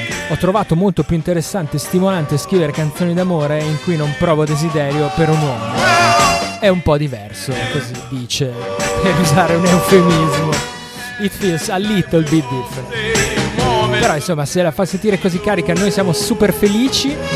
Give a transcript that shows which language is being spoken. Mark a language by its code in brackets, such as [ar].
[it] Ho trovato molto più interessante e stimolante scrivere canzoni d'amore in cui non provo desiderio per un uomo. È un po' diverso, così dice, per usare un eufemismo. [en] It feels a little bit different. [it] Però insomma, se la fa sentire così carica, noi siamo super felici.